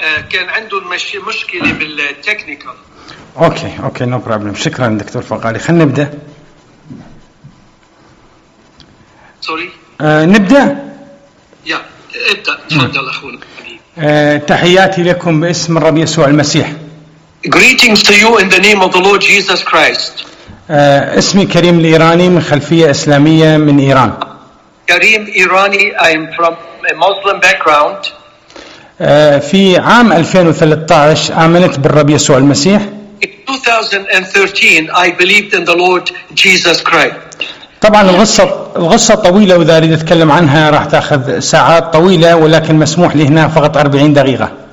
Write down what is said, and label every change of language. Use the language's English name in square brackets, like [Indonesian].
[Arabic] كان عنده مشكله بالتكنيكال. [English] اوكي نو بروبلم. [Arabic] شكرا دكتور فقالي. خلينا نبدا. [English] سوري [Arabic] نبدا. يا ابدا تفضل اخونا. تحياتي لكم باسم الرب يسوع المسيح. [English] Greetings to you in the name of the Lord Jesus Christ. [Arabic] اسمي كريم الايراني، من خلفيه اسلاميه، من ايران. كريم إيراني. [English] I'm from a Muslim background. [Arabic] في عام 2013 آمنت بالرب يسوع المسيح. [English] In 2013 I believed in the Lord Jesus Christ. [Arabic] طبعا القصة طويلة، وإذا أريد أتكلم عنها راح تأخذ ساعات طويلة، ولكن مسموح لي هنا فقط 40 دقيقة.